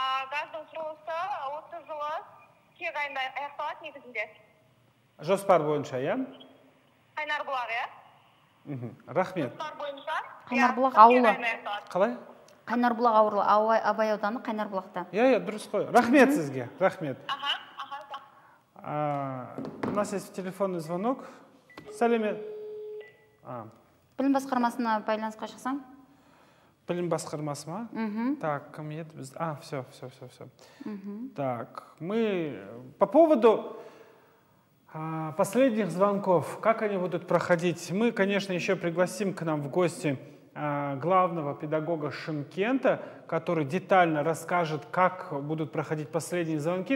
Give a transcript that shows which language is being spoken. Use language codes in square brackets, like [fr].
[kk] Газдың құрылысы 30 жылы кек айында аяқталады негізінде. Жоспар бойынша, иә? Қайнарбұлақ, иә? Рахмет. Жоспар бойынша? Қайнарбұлақ ауылы. Қалай? Қайнарбұлақ ауылы. Абай ауданы Қайнарбұлақта. Иә, дұрыс қой. Рахмет сізге. Рахмет. Аха, [ru] аха. У нас есть телефонный звонок. [kk] Сәлемет. Білім басқармасына байланысқа шықсам? Білім басқармасы ма? [ru] Так, [kk] кім еді біз? [ru] Все. Так, мы по поводу последних звонков, как они будут проходить? Мы, конечно, еще пригласим к нам в гости главного педагога Шымкента, который детально расскажет, как будут проходить последние звонки.